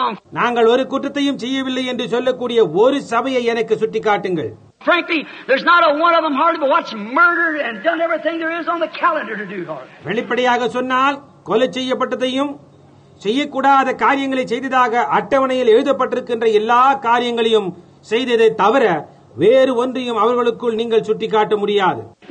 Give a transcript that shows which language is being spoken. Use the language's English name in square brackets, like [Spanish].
[Tamil] நாங்கள் ஒரு குற்றத்தையும் செய்யவில்லை என்று சொல்லக்கூடிய ஒரு சபையை எனக்கு சுட்டி காட்டுங்கள். [English] Frankly, there's not a one of them hardly but what's murdered and done everything there is on the calendar to do hard. [Tamil] வெளிப்படையாக சொன்னால், கொலை செய்யப்பட்டதையும் செய்யக்கூடாத காரியங்களை செய்ததாக அட்டவணையில் எழுதப்பட்டிருக்கின்ற எல்லா காரியங்களையும் செய்ததை தவிர வேறு ஒன்றையும் அவர்களுக்குள் நீங்கள் சுட்டி காட்ட முடியாது.